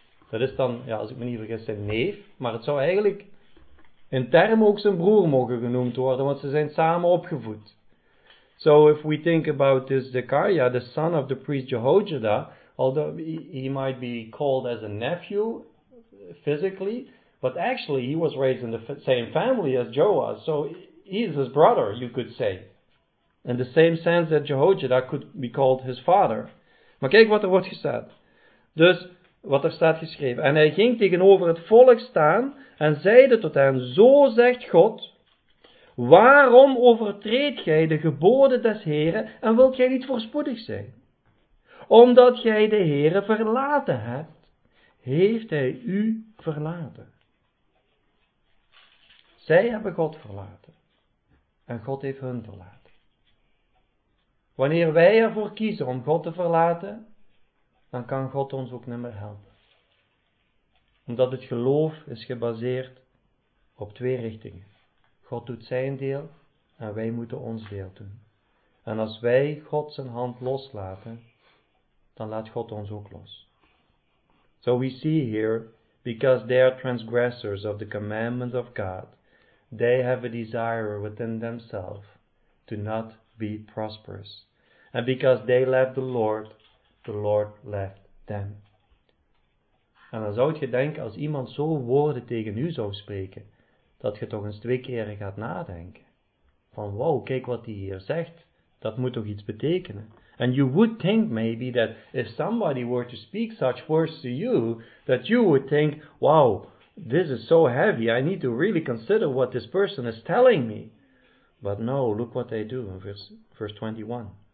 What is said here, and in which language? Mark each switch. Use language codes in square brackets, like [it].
[nl] Dat is dan, ja, als ik me niet vergis, zijn neef. Maar het zou eigenlijk in term ook zijn broer mogen genoemd worden, want ze zijn samen opgevoed. [en] So if we think about this Zekaria, the son of the priest Jehojada, although he might be called as a nephew physically, but actually he was raised in the same family as Joas. So he is his brother, you could say. In the same sense that Jehojada could be called his father. [nl] Maar kijk wat er wordt gezegd. Dus wat er staat geschreven. En hij ging tegenover het volk staan en zeide tot hen, zo zegt God, waarom overtreedt gij de geboden des Heren en wilt gij niet voorspoedig zijn? Omdat gij de Heere verlaten hebt, heeft hij u verlaten. Zij hebben God verlaten. En God heeft hun verlaten. Wanneer wij ervoor kiezen om God te verlaten, dan kan God ons ook niet meer helpen. Omdat het geloof is gebaseerd op twee richtingen. God doet zijn deel en wij moeten ons deel doen. En als wij God zijn hand loslaten, dan laat God ons ook los. [en] So we see here, because they are transgressors of the commandment of God, they have a desire within themselves to not be prosperous. And because they left the Lord left them. [nl] En dan zou je denken, als iemand zo woorden tegen u zou spreken, dat je toch eens twee keren gaat nadenken. Van wow, kijk wat hij hier zegt. Dat moet toch iets betekenen. [en] And you would think maybe that if somebody were to speak such words to you, that you would think, wow, this is so heavy. I need to really consider what this person is telling me. But no, look what they do in verse 21.